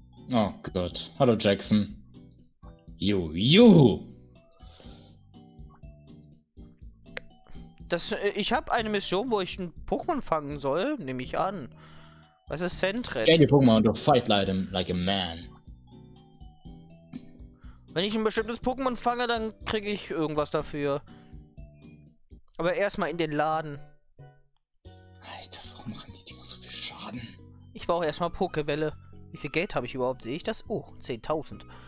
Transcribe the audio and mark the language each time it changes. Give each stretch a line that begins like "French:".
German: Oh Gott. Hallo Jackson. Juhu! Ich habe eine Mission, wo ich ein Pokémon fangen soll, nehme ich an. Was ist Sentret?
English: Gain your Pokémon to fight like a man.
German: Wenn ich ein bestimmtes Pokémon fange, dann kriege ich irgendwas dafür. Aber erstmal in den Laden. Alter, warum machen die Dinger so viel Schaden? Ich brauche erstmal Pokebälle. Wie viel Geld habe ich überhaupt? Sehe ich das? Oh, 10.000.